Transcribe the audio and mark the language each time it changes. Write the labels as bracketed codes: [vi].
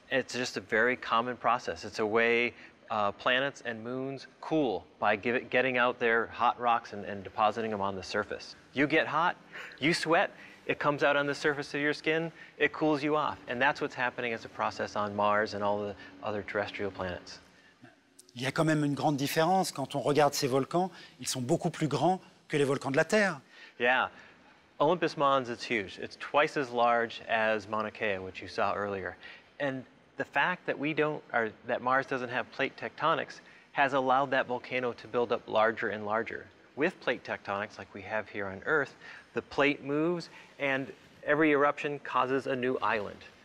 [en] It's just a very common process. It's a way planets and moons cool by getting out their hot rocks and depositing them on the surface. You get hot, you sweat, it comes out on the surface of your skin, it cools you off. And that's what's happening as a process on Mars and all the other terrestrial planets. [fr] Il y a quand même une grande différence quand on regarde ces volcans. Ils sont beaucoup plus grands que les volcans de la Terre. [en] Yeah. Olympus Mons, it's huge. It's twice as large as Mauna Kea, which you saw earlier. And the fact that that Mars doesn't have plate tectonics has allowed that volcano to build up larger and larger. With plate tectonics, like we have here on Earth, the plate moves and every eruption causes a new island.